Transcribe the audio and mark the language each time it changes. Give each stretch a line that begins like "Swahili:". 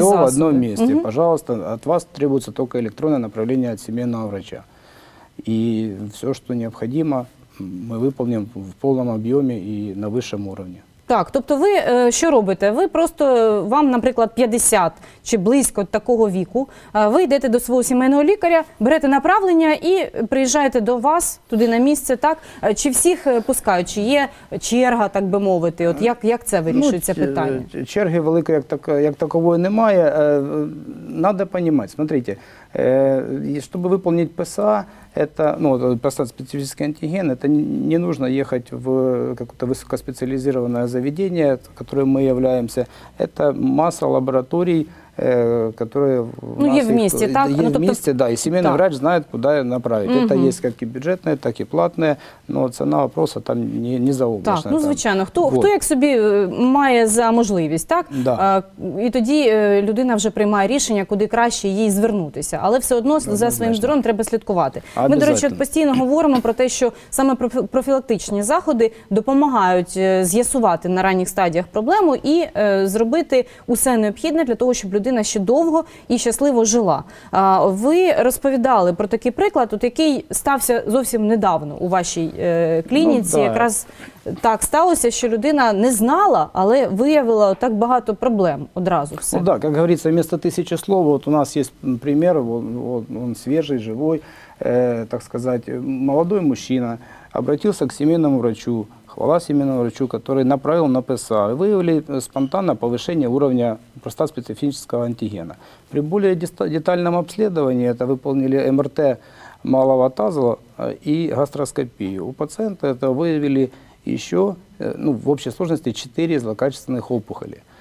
Ukrainian: все засоби.
Russian: В одном месте. Угу. Пожалуйста, от вас требуется только электронное направление от семейного врача. И все, что необходимо, мы выполним в полном объеме и на высшем уровне.
Ukrainian: Так, тобто ви що робите? Ви просто, вам, наприклад, 50 чи близько такого віку, ви йдете до свого сімейного лікаря, берете направлення і приїжджаєте до вас, туди на місце, так? Чи всіх пускають? Чи є черга, так би мовити? От як це вирішується питання? Черги великої як такової немає.
Russian: Надо розуміти, смотрите,
Ukrainian: щоб виконати ПСА,
Russian: это, ну, специфический антиген, это не нужно ехать в какое-то высокоспециализированное заведение, которым мы являемся. Это масса лабораторий, которые у нас есть в месте, да, ну, и семейный врач знает, куда направить. Угу. Это есть как и бюджетные, так и платные, но цена вопроса там не заоблачная.
Ukrainian: Так, ну, звичайно, хто як собі має за можливість, так?
Russian: Да.
Ukrainian: І тоді людина вже приймає рішення, куди краще їй звернутися. Але все одно за своїм здоров'ям треба слідкувати. Ми, до речі, постійно говоримо про те, що саме профілактичні заходи допомагають з'ясувати на ранніх стадіях проблему і зробити усе необхідне для того, щоб людина ще довго і щасливо жила. Ви розповідали про такий приклад, от який стався зовсім недавно у вашій клініці. Ну, якраз так сталося, що людина не знала, але виявила так багато проблем одразу. Ну, так, як говориться, вмісто тисячі слов, от у нас є примір, він свіжий, живий, так сказати, молодий мужчина, обратився к сімейному врачу.
Russian: Хвала семейному врачу, который направил на ПСА. Выявили спонтанно повышение уровня простат-специфического антигена. При более детальном обследовании это выполнили МРТ малого таза и гастроскопию. У пациента это выявили еще, ну, в общей сложности 4 злокачественных опухоли.